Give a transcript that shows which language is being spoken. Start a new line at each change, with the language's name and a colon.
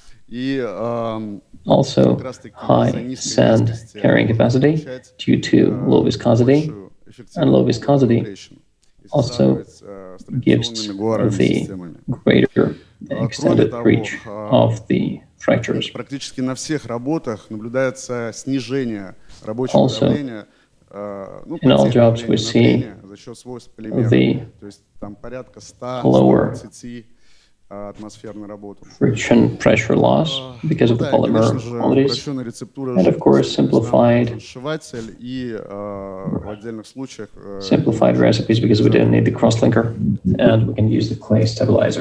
English: Also, high sand carrying capacity due to low viscosity, and low viscosity also gives the greater extended reach of the fractures.
Russian: Практически на всех работах наблюдается снижение рабочего давления.
English: In all jobs, we see the lower friction pressure loss because of the polymer qualities, and of course, simplified recipes because we didn't need the crosslinker, and we can use the clay stabilizer.